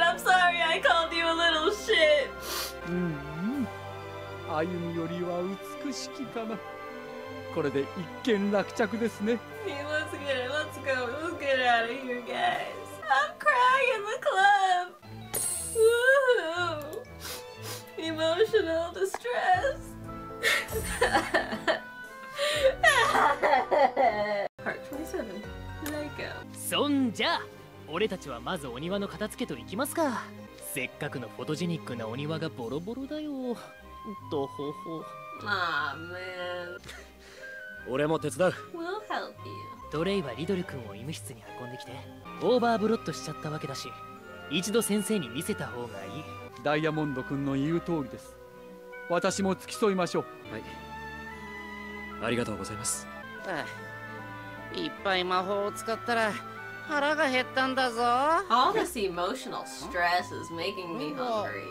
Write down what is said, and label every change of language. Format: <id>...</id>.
<en>I'm sorry I called you a little shit.</en> <ja>うん。歩みよりは美しきかな。これで一件落着ですね。</ja> <en>Let's get it. Let's go. Let's get out of here, guys. I'm crying in the club. Woohoo! Emotional distress! Part 27. Lego.</en> <ja>そんじゃ、俺たちはまずお庭の片付けといきますか。せっかくのフォトジェニックなお庭がボロボロだよ。どほほ。</ja> <en>Aw, man.</en> <ja>俺も手伝う。</ja> <en>We'll help you.</en> <ja>ドレイはリドル君を医務室に運んできて、オーバーブロッドしちゃったわけだし。一度先生に見せた方がいい。ダイヤモンド君の言う通りです。私も付き添いましょう。はい。ありがとうございます。ああ、いっぱい魔法を使ったら腹が減ったんだぞ。</ja> <en>All this emotional stress is making me hungry.</en>